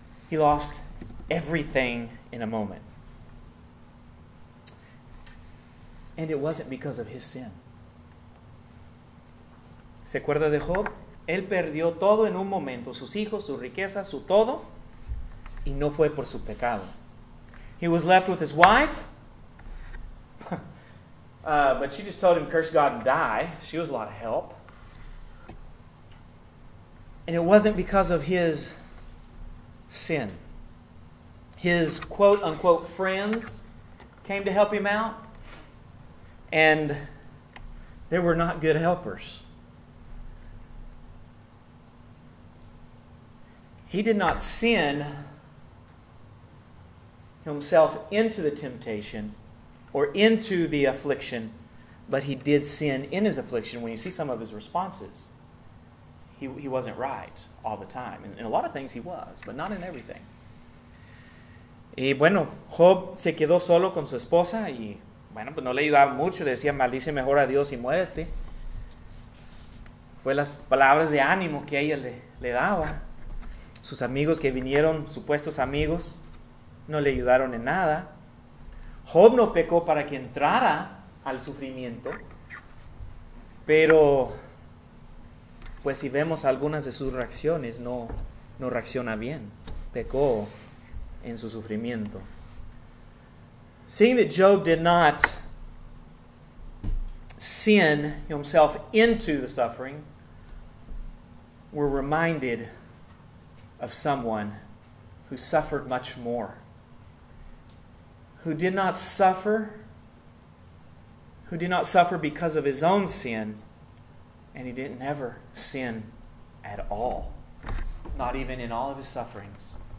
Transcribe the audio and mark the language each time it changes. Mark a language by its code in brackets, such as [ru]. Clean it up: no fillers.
[en] He lost everything in a moment. And it wasn't because of his sin. [es] ¿Se acuerda de Job? Él perdió todo en un momento, sus hijos, su riqueza, su todo, y no fue por su pecado. [en] He was left with his wife, but she just told him, curse God and die. She was a lot of help. And it wasn't because of his sin. His quote-unquote friends came to help him out, and they were not good helpers. He did not sin himself into the temptation or into the affliction, but he did sin in his affliction. When you see some of his responses, he wasn't right all the time. In a lot of things he was, but not in everything. [es] Y bueno, Job se quedó solo con su esposa y, bueno, pues no le ayudaba mucho. Le decía, maldice mejor a Dios y muérete. Fue las palabras de ánimo que ella le daba. Sus amigos que vinieron, supuestos amigos, no le ayudaron en nada. Job no pecó para que entrara al sufrimiento. Pero, pues si vemos algunas de sus reacciones, no reacciona bien. Pecó en su sufrimiento. [en] Seeing that Job did not sin himself into the suffering, we're reminded of someone who suffered much more, who did not suffer because of his own sin, and he didn't ever sin at all, not even in all of his sufferings.